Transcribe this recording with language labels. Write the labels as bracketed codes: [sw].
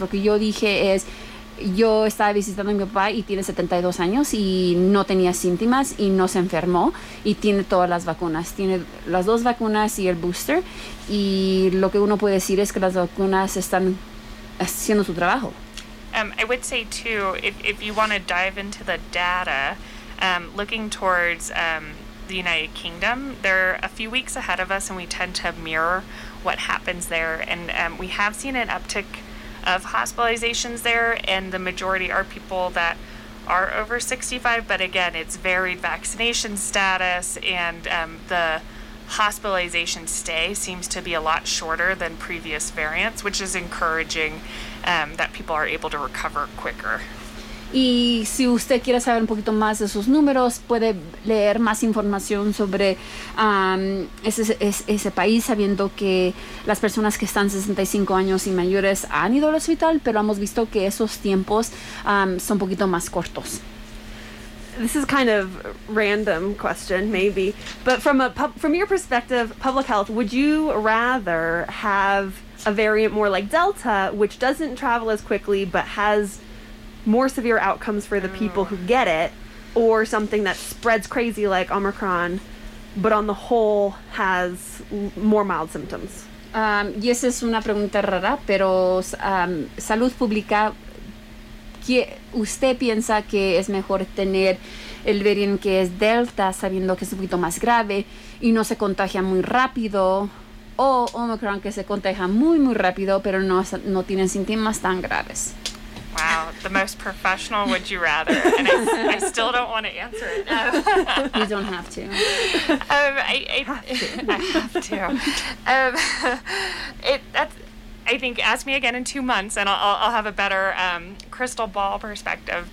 [es] Lo que yo dije es, yo estaba visitando a mi papá y tiene 72 años y no tenía síntomas y no se enfermó y tiene todas las vacunas. Tiene las dos vacunas y el booster. Y lo que uno puede decir es que las vacunas están haciendo su trabajo. [en] I would say too, if you want to dive into the data, looking towards the United Kingdom, they're a few weeks ahead of us and we tend to mirror what happens there. And we have seen an uptick of hospitalizations there, and the majority are people that are over 65, but again, it's varied vaccination status, and the hospitalization stay seems to be a lot shorter than previous variants, which is encouraging that people are able to recover quicker. [es] Y si usted quiere saber un poquito más de sus números, puede leer más información sobre ese país, sabiendo que las personas que están 65 años y mayores han ido al hospital, pero hemos visto que esos tiempos son un poquito más cortos. [en] This is kind of random question, maybe, but from your perspective, public health, would you rather have a variant more like Delta, which doesn't travel as quickly but has more severe outcomes for the people who get it, or something that spreads crazy like Omicron, but on the whole has more mild symptoms? [es] Y esa es una pregunta rara, pero salud pública, ¿qué usted piensa que es mejor tener el variante que es Delta, sabiendo que es un poquito más grave y no se contagia muy rápido, o Omicron que se contagia muy muy rápido, pero no tiene síntomas tan graves? [en] Wow, the most professional would you rather? And I still don't want to answer it. You don't have to. I have to. I think, ask me again in 2 months and I'll have a better crystal ball perspective.